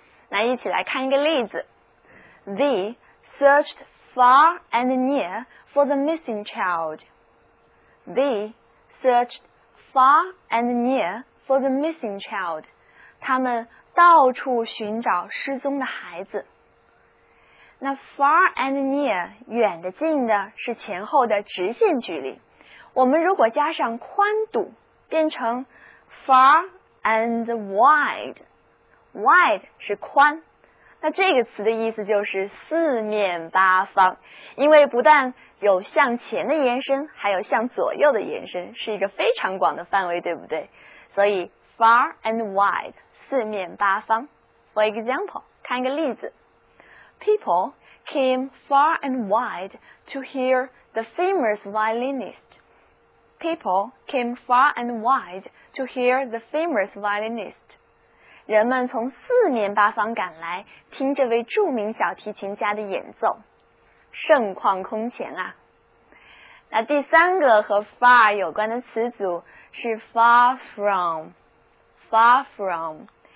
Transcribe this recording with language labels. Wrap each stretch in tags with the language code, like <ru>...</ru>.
<zh>那一起来看一个例子，</zh> <en>They searched far and near for the missing child. They searched far and near for the missing child.</en> <zh>他们到处寻找失踪的孩子。那 far and near, 远的近的是前后的直线距离。我们如果加上宽度变成 far and wide, wide 是宽。那这个词的意思就是四面八方，因为不但有向前的延伸，还有向左右的延伸，是一个非常广的范围，对不对？所以 far and wide, 四面八方。</zh> <en>For example,</en> <zh>看一个例子。</zh> <en>People came far and wide to hear the famous violinist. People came far and wide to hear the famous violinist.</en> <zh>人们从四面八方赶来听这位著名小提琴家的演奏，盛况空前啊。那第三个和 far 有关的词组是 far from, far from.</zh>